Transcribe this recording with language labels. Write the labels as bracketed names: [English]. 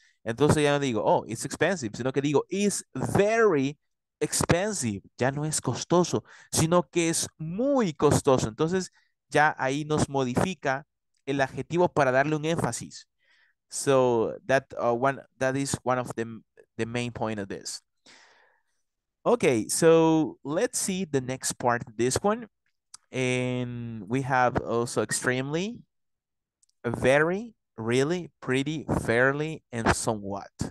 [Spanish] Entonces ya no digo, oh, [English] it's expensive, [Spanish] sino que digo, [English] it's very expensive. [Spanish] Ya no es costoso, sino que es muy costoso. Entonces ya ahí nos modifica el adjetivo para darle un énfasis. [English] So that one, that is one of the main point of this. Okay, so let's see the next part of this one. And we have also extremely, very, really, pretty, fairly, and somewhat.